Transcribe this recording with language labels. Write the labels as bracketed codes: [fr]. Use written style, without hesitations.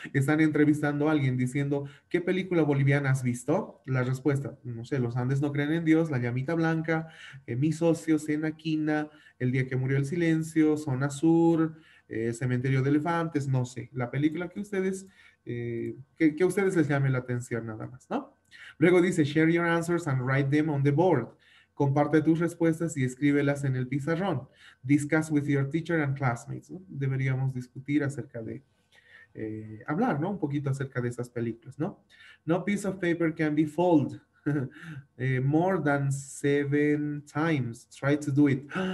[es] Están entrevistando a alguien diciendo, ¿qué película boliviana has visto? La respuesta, no sé, Los Andes no creen en Dios, La Llamita Blanca, Mi Socio, Cena Quina, El Día que Murió el Silencio, Zona Sur, Cementerio de Elefantes, no sé. La película que ustedes, que a ustedes les llame la atención nada más, ¿no? Luego dice, [en] share your answers and write them on the board. [es] Comparte tus respuestas y escríbelas en el pizarrón. [en] Discuss with your teacher and classmates, [es] ¿no? Deberíamos discutir acerca de, hablar, ¿no? Un poquito acerca de esas películas, ¿no? [en] No piece of paper can be folded more than seven times. Try to do it.